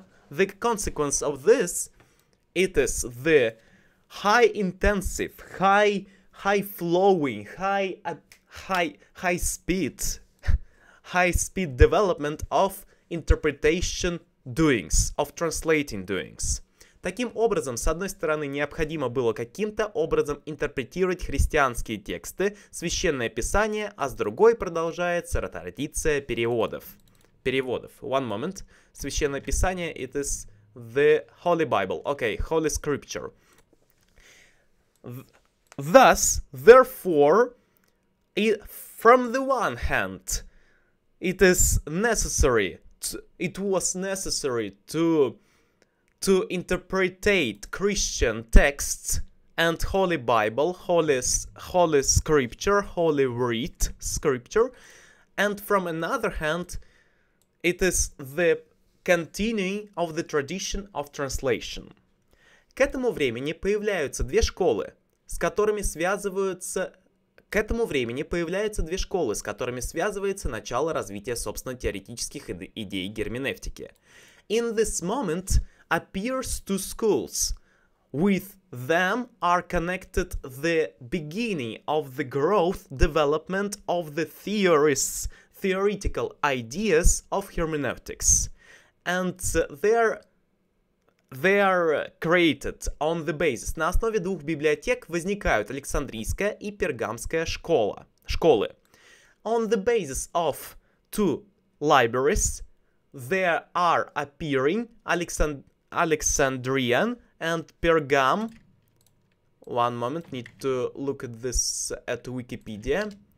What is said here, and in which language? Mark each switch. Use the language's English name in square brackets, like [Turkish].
[English] The consequence of this, it is the high intensive, high speed development of interpretation doings, of translating doings. [Russian] Таким образом, с одной стороны, необходимо было каким-то образом интерпретировать христианские тексты, священное писание, а с другой продолжается традиция переводов. Переводов. [English] One moment. Священное писание, it is the Holy Bible. Okay, Holy Scripture. Thus, therefore, from the one hand, it was necessary to interpretate Christian texts and Holy Bible, Holy Scripture, Holy Writ Scripture, and from another hand, it is the continuing of the tradition of translation. [Russian] К этому времени появляются две школы, с которыми связываются... К этому времени появляются две школы, с которыми связывается начало развития, собственно, теоретических идей герменевтики. [English] In this moment appears two schools. With them are connected the beginning of the growth development of the theorists, theoretical ideas of hermeneutics. And they are created on the basis. [Russian] На основе двух библиотек возникают Александрийская и Пергамская школы. [English] On the basis of two libraries, there are appearing Alexandrian and Pergam. One moment, need to look at this at Wikipedia.